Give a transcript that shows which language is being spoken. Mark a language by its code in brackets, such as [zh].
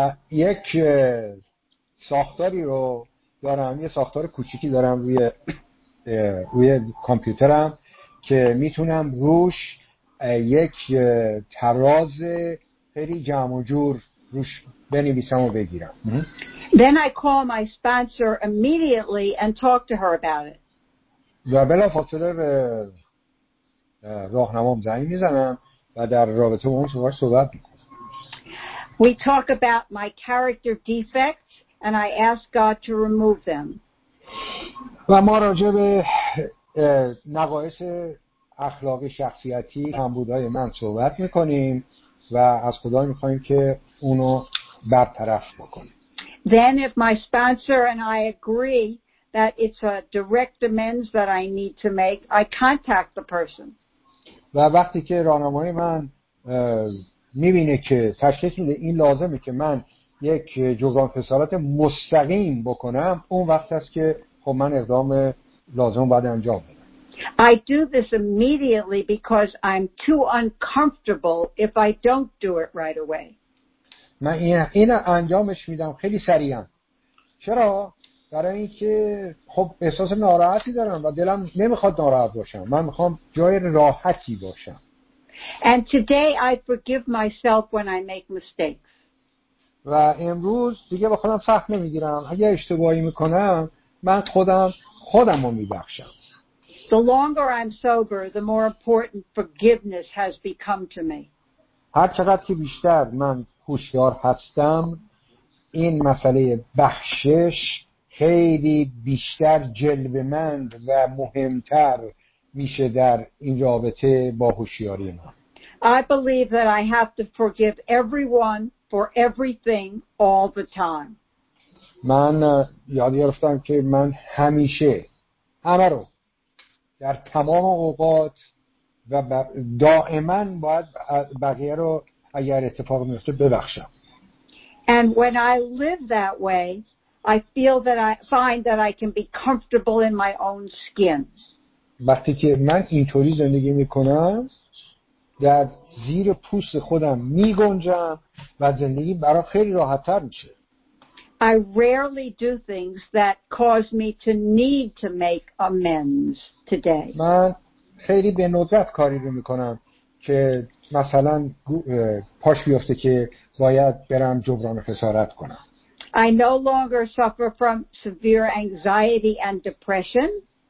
[fa] یک ساختاری رو دارم، یه ساختار کوچیکی دارم روی کامپیوترم که میتونم روش یک تراز خیلی جمع و جور روش بنویسم و بگیرم. [en] Then I call my sponsor immediately and talk to her about it. [fa] و بلافاصله به راهنمام زنگ میزنم و در رابطه با اون صحبت میکنم. [en] We talk about my character defects and I ask God to remove them. [fa] و ما راجع به نقایص اخلاقی شخصیتی کمبودهای من صحبت میکنیم و از خدا میخواییم که اونو برطرف بکنیم. [en] Then if my sponsor and I agree that it's a direct amends that I need to make, I contact the person. [fa] و وقتی که راهنمای من میبینه که تشخیص میده این لازمه که من یک جبران خسارت مستقیم بکنم، اون وقت است که خب من اقدام لازم باید انجام بدم. [en] I do this immediately because I'm too uncomfortable if I don't do it right away. [fa] من این انجامش میدم خیلی سریعا. چرا؟ برای اینکه خب احساس ناراحتی دارم و دلم نمیخواد ناراحت باشم. من میخوام جای راحتی باشم. [en] And today I forgive myself when I make mistakes. [fa] و امروز دیگه با خودم سخت نمیگیرم. اگه اشتباهی میکنم من خودم رو میبخشم. [en] The longer I'm sober, the more important forgiveness has become to me. [fa] هر چقدر که بیشتر من هوشیار هستم این مسئله بخشش خیلی بیشتر جلبمند و مهمتر میشه در این رابطه با هوشیاری من. [en] I believe that I have to forgive everyone for everything all the time. [fa] من یاد گرفتم که من همیشه همه رو در تمام اوقات و دائما باید بقیه رو اگر اتفاق میفته ببخشم. [en] And when I live that way, I feel that I find that I can be comfortable in my own skin. [fa] وقتی که من اینطوری زندگی میکنم در زیر پوست خودم میگنجم و زندگی برای خیلی راحت‌تر میشه. [en] I rarely do things that cause me to need to make amends today. [fa] من خیلی به ندرت کاری رو میکنم که مثلا پاش بیفته که باید برم جبران خسارت کنم. [en] I no longer suffer from severe anxiety and depression.